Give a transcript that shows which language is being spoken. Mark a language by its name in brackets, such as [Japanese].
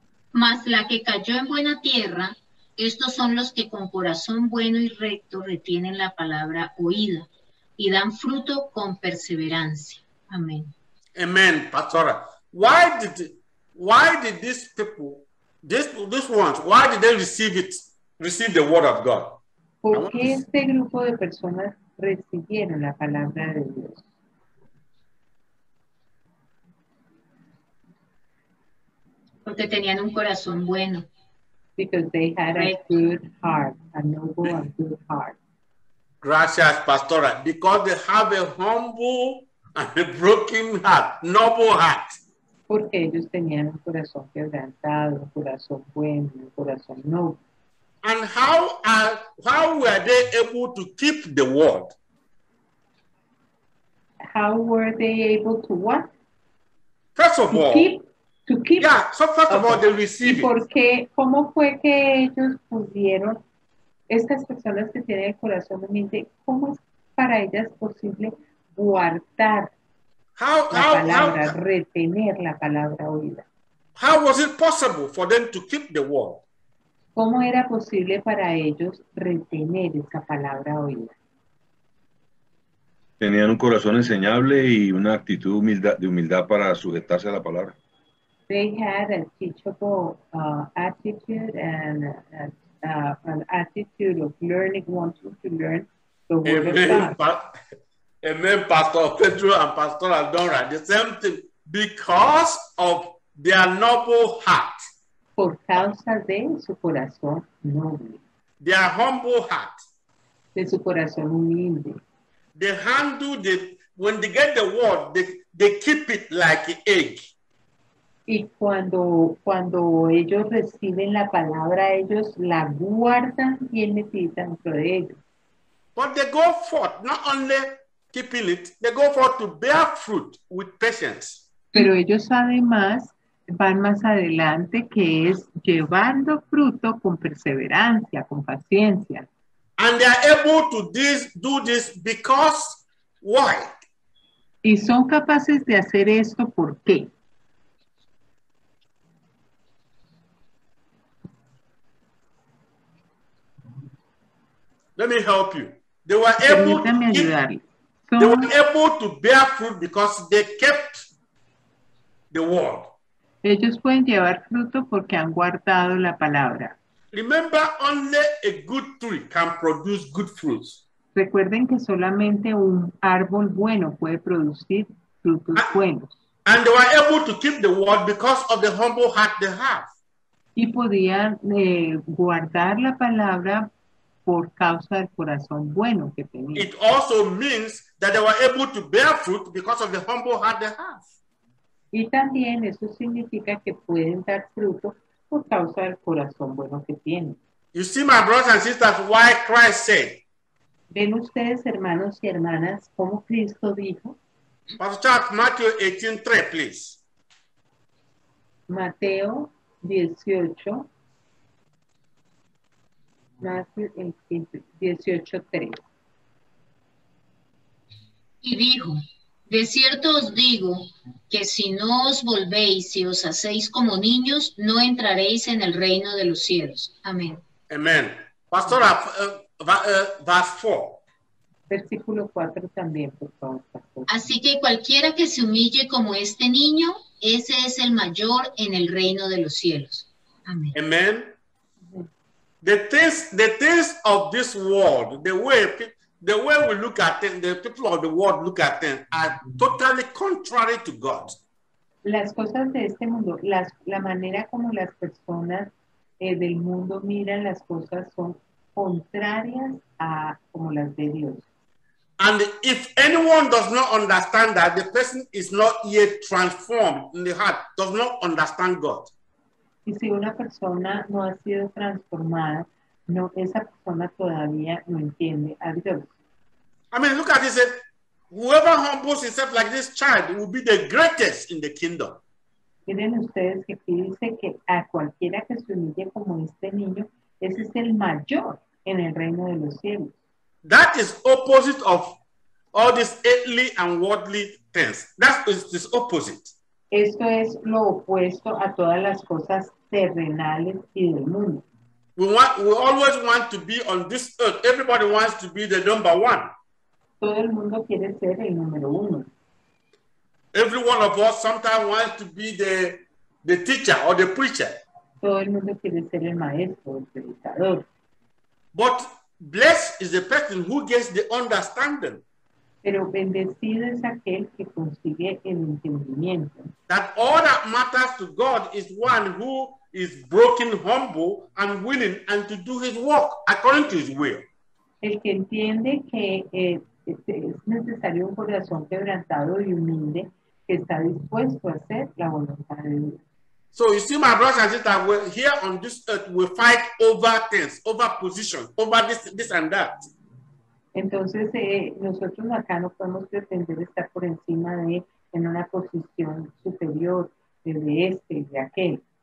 [Spanish] Mas la que cayó en buena tierra. Estos son los que con corazón bueno y recto retienen la palabra oída y dan fruto con perseverancia. Amén. Amén, Pastora. [English] Why did these people, these ones, why did they receive the word of God? [Spanish] ¿Por qué este grupo de personas recibieron la palabra de Dios? Porque tenían un corazón bueno. [English] Because they had a good heart, a noble and good heart. [Spanish] Gracias, Pastora. [English] Because they have a humble and a broken heart, noble heart. [Spanish] Porque ellos tenían un corazón quebrantado, un corazón bueno, un corazón noble. [English] And how were they able to keep the word? How were they able to what? First of all. So first of all, they received it. [Spanish] Porque, ¿cómo fue que ellos pudieron, estas personas que tienen el corazón humilde, cómo es para ellas posible guardar la palabra, retener la palabra oída? [English] How was it possible for them to keep the word? [Spanish] ¿Cómo era posible para ellos retener esa palabra oída? Tenían un corazón enseñable y una actitud de humildad para sujetarse a la palabra. [English] They had a teachable attitude and an attitude of learning, wanting to learn the word of God. Amen, Pastor Pedro and Pastor Aldora, the same thing, because of their noble heart. [Spanish] Por causa de su corazón noble. [English] Their humble heart. [Spanish] De su corazón humilde. [English] They handle the, when they get the word, they keep it like an egg. [Spanish] Y cuando ellos reciben la palabra, ellos la guardan bien metida dentro de ellos. [English] But they go forth, not only keeping it, they go forth to bear fruit with patience. [Spanish] Pero ellos además van más adelante, que es llevando fruto con perseverancia, con paciencia. [English] And they are able to do this because why? [Spanish] Y son capaces de hacer esto, ¿por qué? [English] Let me help you. They were able to bear fruit because they kept the word. [Spanish] Ellos pueden llevar fruto porque han guardado la palabra. [English] Remember, only a good tree can produce good fruits. [Spanish] Recuerden que solamente un árbol bueno puede producir frutos buenos. [English] And they were able to keep the word because of the humble heart they have. [Spanish] Y podían guardar la palabra por causa del corazón bueno que tenían. [English] It also means that they were able to bear fruit because of the humble heart they have. [Spanish] Y también eso significa que pueden dar fruto por causa del corazón bueno que tienen. [English] You see, my brothers and sisters, why Christ said. [Spanish] ¿Ven ustedes, hermanos y hermanas, cómo Cristo dijo? [English] Pastor Chuck, Matthew 18:3, please. [Spanish] Mateo 18. [English] Matthew [Spanish] 18:3. Y dijo: De cierto os digo que si no os volvéis y os hacéis como niños, no entraréis en el reino de los cielos. Amén. [English] Amén. Pastor, verse 4. [Spanish] Versículo 4 también, por favor, pastor. Así que cualquiera que se humille como este niño, ese es el mayor en el reino de los cielos. Amén. Amén. [English] The things of this world, the way we look at it, the people of the world look at them, are totally contrary to God. [Spanish] Las cosas de este mundo, la manera como las personas del mundo miran las cosas son contrarias a como las de Dios. [English] And if anyone does not understand that, the person is not yet transformed in the heart, does not understand God. [Spanish] Y si una persona no ha sido transformada, no, esa persona todavía no entiende a Dios. [English] I mean, look at this. Whoever humbles himself like this child will be the greatest in the kingdom. [Spanish] Miren ustedes que aquí dice que a cualquiera que se humille como este niño, ese es el mayor en el reino de los cielos. [English] That is opposite of all these earthly and worldly things. That is this opposite. [Spanish] Esto es lo opuesto a todas las cosas terrenales y del mundo. [English] We always want to be on this earth. Everybody wants to be the number one. [Spanish] Todo el mundo quiere ser el número uno. [English] Every one of us sometimes wants to be the teacher or the preacher. [Spanish] Todo el mundo quiere ser el maestro, el predicador. [English] But blessed is the person who gets the understanding. [Spanish] Pero bendecido es aquel que consigue el entendimiento. [English] That all that matters to God is one who is broken, humble, and willing, and to do his work according to his will. [Spanish] El que entiende que es necesario un corazón quebrantado y humilde, que está dispuesto a hacer la voluntad de Dios. [English] So you see, my brothers and sisters, we're here on this earth, we fight over things, over positions, over this and that. [Spanish] Entonces, nosotros acá no podemos pretender estar por encima de, en una posición superior, de este y de aquel.